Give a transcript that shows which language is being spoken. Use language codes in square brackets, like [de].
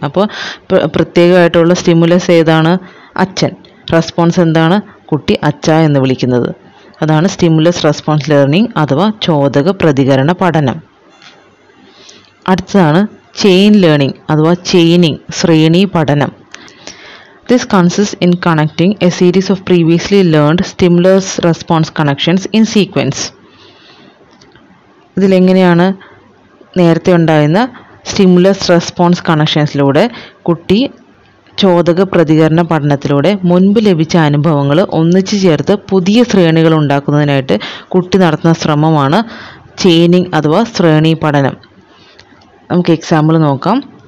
[ml] അപ്പോൾ പ്രത്യേകമായിട്ടുള്ള സ്റ്റിമുലസ് ഏതാണ്? അച്ഛൻ. റെസ്പോൺസ് എന്താണ്? കുട്ടി അച്ഛ എന്ന് വിളിക്കുന്നത്. അതാണ് സ്റ്റിമുലസ് റെസ്പോൺസ് ലേണിംഗ് അഥവാ ചോദക പ്രതികരണ പഠനം. അടുത്തതാണ് chain learning അഥവാ chaining, ശ്രേണി പഠനം. [en] This consists in connecting a series of previously learned stimulus response connections in sequence. [ml] ഇതിലെങ്ങനെയാണ്? നേരത്തെ ഉണ്ടായിരുന്ന സ്റ്റിമുലസ് റെസ്പോൺസ് കണക്ഷൻസിലൂടെ കുട്ടി ചോദക പ്രതികരണ പഠനത്തിലൂടെ മുൻപ് ലഭിച്ച അനുഭവങ്ങൾ ഒന്നിച്ചു ചേർത്ത് പുതിയ ശ്രേണികൾ ഉണ്ടാക്കുന്നതിനായിട്ട് കുട്ടി നടത്തുന്ന ശ്രമമാണ് ചെയിനിങ് അഥവാ ശ്രേണി പഠനം. നമുക്ക് എക്സാമ്പിൾ നോക്കാം.